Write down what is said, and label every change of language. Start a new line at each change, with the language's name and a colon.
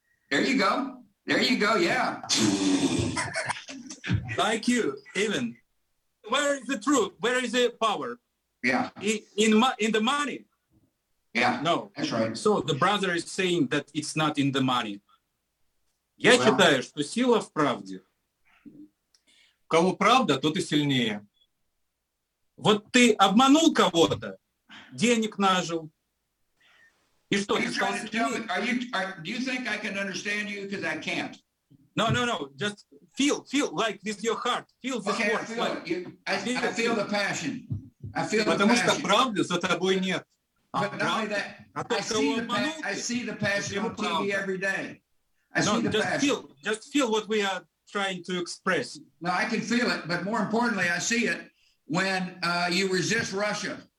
English: There you go. There you go, yeah. Like you, even. Where is the truth? Where is the power? Yeah. In the money. Yeah, no, that's right. So the brother is saying that it's not in the money.
Russian: Я считаю, что сила в правде. У кого правда, тот и сильнее. Вот ты обманул кого-то, денег нажил. И что, ты сказал сильнее?
English: Do you think I can understand you? Because I can't. No. Just feel like with your heart. Feel this okay, word. I feel the passion.
Russian: Потому что правды за тобой нет.
English: I see the passion on TV every day. Just feel what we are trying to express. No, I can feel it, but more importantly, I see it when you resist Russia.